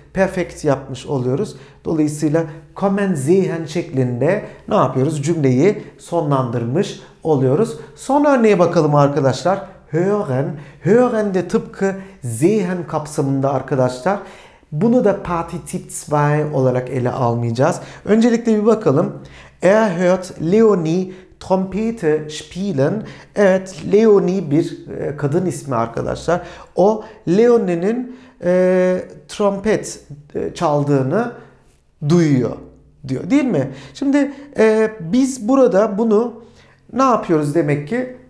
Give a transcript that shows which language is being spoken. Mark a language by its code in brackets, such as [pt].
[tr] Perfect yapmış oluyoruz. Dolayısıyla [de] kommen sehen [tr] şeklinde ne yapıyoruz? Cümleyi sonlandırmış oluyoruz. Son örneğe bakalım arkadaşlar. Hören. Hören de tıpkı sehen kapsamında arkadaşlar. Bunu da Partizip 2 olarak ele almayacağız. Öncelikle bir bakalım. [de] Er hört Leonie Trompete spielen. [tr] Evet, Leonie bir kadın ismi arkadaşlar. O Leonie'nin trompet çaldığını duyuyor diyor, değil mi? Şimdi biz burada bunu ne yapıyoruz demek ki?